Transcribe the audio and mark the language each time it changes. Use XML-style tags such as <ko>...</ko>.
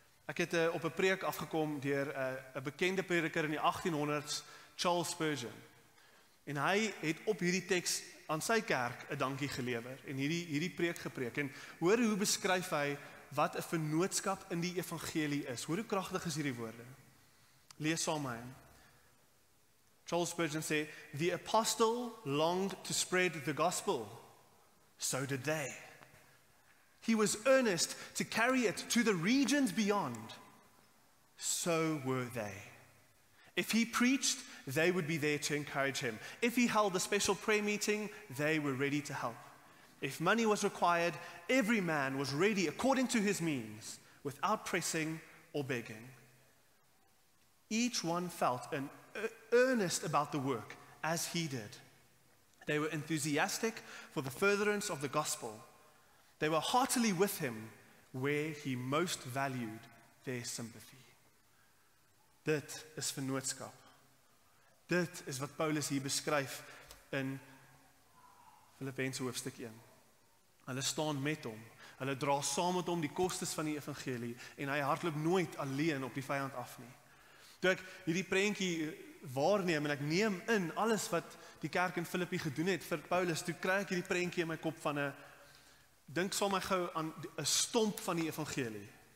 <af>Ek het op 'n preek afgekom deur 'n bekende prediker in die 1800s, Charles Spurgeon. En hy het op hierdie teks aan sy kerk 'n dankie gelewer en hierdie preek gepreek. En hoor hoe beskryf hy wat 'n vennootskap in die evangelie is. Hoor hoe kragtig is hierdie woorde. Lees saam met my.</af> <en>Charles Spurgeon sê, "The apostle longed to spread the gospel. So did they. He was earnest to carry it to the regions beyond. So were they. If he preached, they would be there to encourage him. If he held a special prayer meeting, they were ready to help. If money was required, every man was ready according to his means, without pressing or begging. Each one felt an earnest about the work as he did. They were enthusiastic for the furtherance of the gospel. They were heartily with him where he most valued their sympathy."</en> <af>Dit is vennootskap. Dit is wat Paulus hier beskryf in Fillippense hoofstuk 1. Hulle staan met hom. Hulle dra saam met hom die kostes van die evangelie en hy hardloop nooit alleen op die vyand af nie. Toe ek hierdie prentjie waarneem en ek neem in alles wat die kerk in Filippi gedoen het vir Paulus, toe kry ek hierdie prentjie in my kop van 'n Dink sal my gou aan 'n stomp van die evangelie.</af>